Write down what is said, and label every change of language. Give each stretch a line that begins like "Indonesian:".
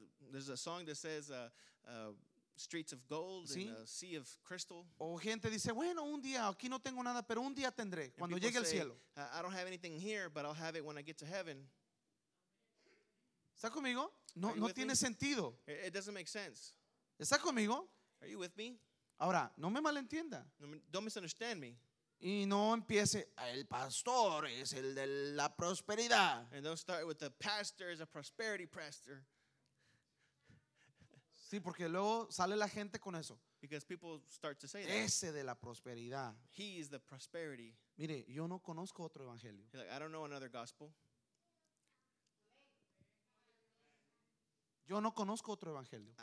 English: There's a song that says streets of gold,
Spanish: ¿sí?
English: And a sea of crystal.
Spanish: O gente dice, bueno, un día aquí no tengo nada, pero un día tendré cuando llegue
English: say,
Spanish: el cielo.
English: I don't have anything here, but I'll have it when I get to heaven.
Spanish: ¿Está conmigo? No, no tiene sentido.
English: It doesn't make sense.
Spanish: ¿Está conmigo?
English: Are you with me?
Spanish: Ahora, no me malentienda.
English: Don't misunderstand me.
Spanish: Y no empiece, el pastor es el de la prosperidad.
English: And don't start with the pastor is a prosperity pastor.
Spanish: Sí, porque luego sale la gente con eso.
English: Because people start to say
Spanish: ese
English: that.
Spanish: Ese de la prosperidad.
English: He is the prosperity.
Spanish: Mire, yo no conozco otro evangelio.
English: He's like, I don't know another gospel.
Spanish: Yo no conozco otro evangelio.